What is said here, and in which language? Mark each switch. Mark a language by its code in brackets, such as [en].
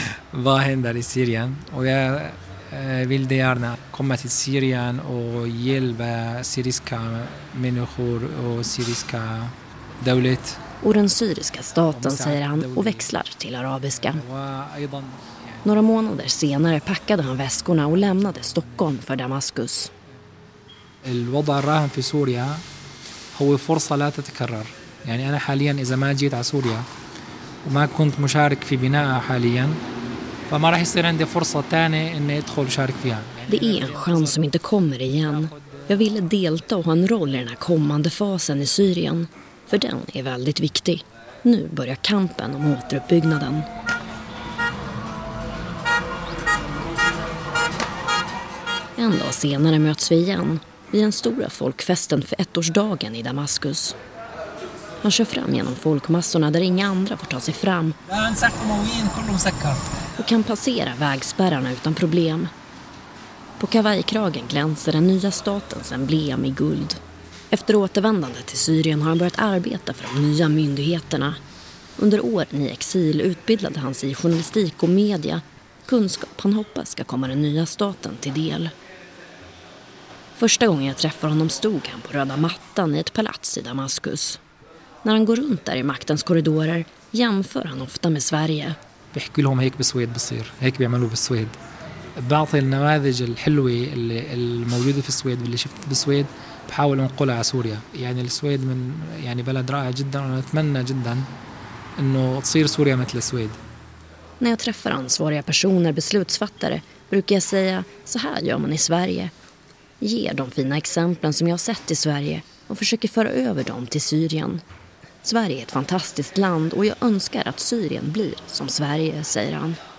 [sv] Vad händer i Syrien? Och jag vill gärna komma till Syrien och hjälpa syriska människor och syriska dövlet. Och den syriska staten, säger han, och växlar till arabiska. Några månader senare packade han väskorna och lämnade Stockholm för Damaskus. [ar] El wada rahan fi Syria. هو فرصة لا تتكرر. يعني أنا حاليا إذا ما جيت على سوريا وما كنت مشارك في بنائها حاليا فما راح يصير عندي فرصة تانية إني أدخل وشارك فيها. [sv] Det är en chans som inte kommer igen. Jag ville delta och ha en roll i den här kommande fasen i Syrien. För den är väldigt viktig. Nu börjar kampen om återuppbyggnaden. En dag senare möts vi igen vid den stora folkfesten för ettårsdagen i Damaskus. Han kör fram genom folkmassorna där inga andra får ta sig fram. Och kan passera vägspärrarna utan problem. På kavajkragen glänser den nya statens emblem i guld. Efter återvändandet till Syrien har han börjat arbeta för de nya myndigheterna. Under åren i exil utbildade han sig i journalistik och media. Kunskap han hoppas ska komma den nya staten till del. Första gången jag träffar honom stod han på röda mattan i ett palats i Damaskus. När han går runt där i maktens korridorer jämför han ofta med Sverige. Jag säger att det är så här i Sverige. Det är så här i Sverige. [ar] بعض النماذج الحلوة الموجودة في السويد واللي شفت بالسويد بحاول أنقلها على سوريا. يعني السويد من يعني بلد رائع جدا وأنا أتمنى جدا إنه تصير سوريا مثل السويد. [sv] När jag träffar ansvariga personer, beslutsfattare, brukar jag säga så här gör man i Sverige. Ger de fina exemplen som jag har sett i Sverige och försöker föra över dem till Syrien. Sverige är ett fantastiskt land och jag önskar att Syrien blir som Sverige, säger han.